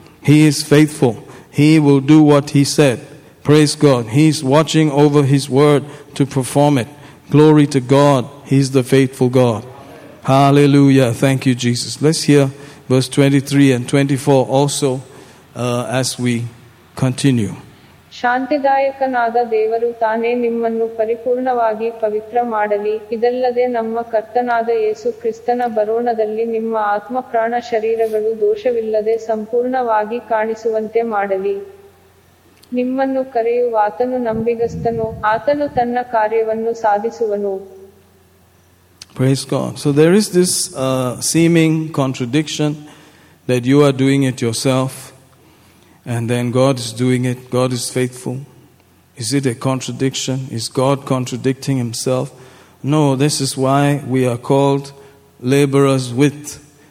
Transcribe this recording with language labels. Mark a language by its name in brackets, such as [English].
[English] He is faithful. He will do what he said. Praise God. He's watching over his word to perform it. Glory to God. He's the faithful God. Hallelujah. Thank you, Jesus. Let's hear verse 23 and 24 also as we continue. [Kannada] ಶಾಂತಿದಾಯಕನಾದ ದೇವರು ತಾನೇ ನಿಮ್ಮನ್ನು ಪರಿಪೂರ್ಣವಾಗಿ ಪವಿತ್ರ ಮಾಡಲಿ ಇದಲ್ಲದೆ ನಮ್ಮ ಕರ್ತನಾದ ಯೇಸು ಕ್ರಿಸ್ತನ ಬರೋಣದಲ್ಲಿ ನಿಮ್ಮ ಆತ್ಮ ಪ್ರಾಣ ಶರೀರಗಳು ದೋಷವಿಲ್ಲದೆ ಸಂಪೂರ್ಣವಾಗಿ ಕಾಣಿಸುವಂತೆ ಮಾಡಲಿ ನಿಮ್ಮನ್ನು ಕರೆಯುವ ಆತನು ನಂಬಿಗಸ್ತನು ಆತನು ತನ್ನ ಕಾರ್ಯವನ್ನು ಸಾಧಿಸುವನು. [English] Praise God. So there is this seeming contradiction that you are doing it yourself. And then God is doing it. God is faithful. Is it a contradiction? Is God contradicting himself? No, this is why we are called laborers with.